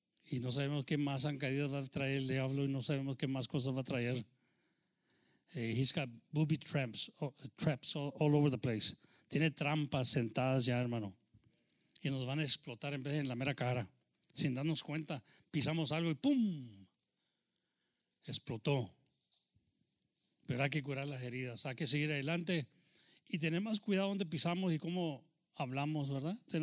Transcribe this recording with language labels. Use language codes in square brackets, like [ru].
[es] Y no sabemos qué más zancadillas va a traer el diablo y no sabemos qué más cosas va a traer. [en] He's got booby traps all over the place. [es] Tiene trampas sentadas ya, hermano. Y nos van a explotar en vez de en la mera cara. Sin darnos cuenta, pisamos algo y ¡pum! Explotó. Pero hay que curar las heridas, hay que seguir adelante. Y tener más cuidado donde pisamos y cómo hablamos, ¿verdad?